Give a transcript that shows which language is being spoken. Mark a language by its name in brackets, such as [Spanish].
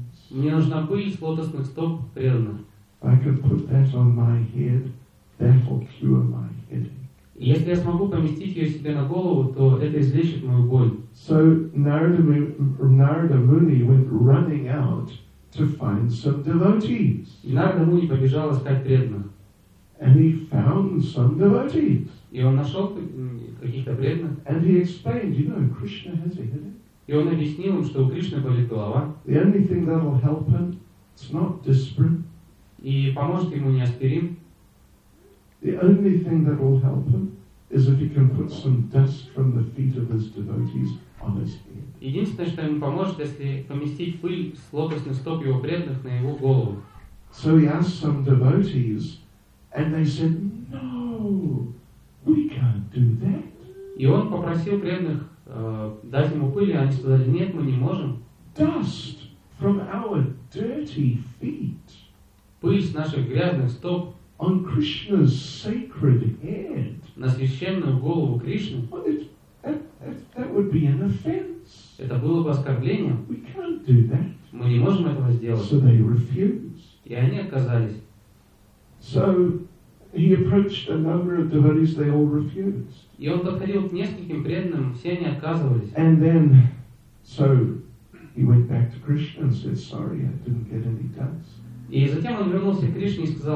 [Russian] Мне нужна пыль с лотосных стоп преданных. [English] I can put that on my head, that will cure my headache. [Russian] Если я смогу поместить ее себе на голову, то это излечит мою боль. [English] So Narada Muni went running out to find some devotees. [Russian] И Нарада Муни побежал искать преданных. [English] And he found some devotees. [Russian] И он нашел каких-то преданных. [English] And he explained, you know, Krishna has a headache. [Russian] И он объяснил им, что у Кришны болит голова. [English] The only thing that will help him, it's not disparate. [Russian] И поможет ему не аспирин. [English] The only thing that will help him is if he can put some dust from the feet of his devotees on his head. [Russian] Единственное, что ему поможет, если поместить пыль с лотосных стоп его преданных на его голову. [English] So he asked some devotees, and they said, no, we can't do that. [Russian] И он попросил преданных дать ему пыль, и они сказали, нет, мы не можем. [English] Dust from our dirty feet. [Russian] Пыль с наших грязных стоп. [English] On Krishna's sacred head. [Russian] На священную голову Кришны. [English] That would be an offense. [Russian] Это было бы оскорблением. [English] We can't do that. [Russian] Мы не можем этого сделать. [English] So they refused. [Russian] И они отказались. [English] So he approached a number of devotees, they all refused. And then, so he went back to Krishna and said, sorry, I didn't get any dust.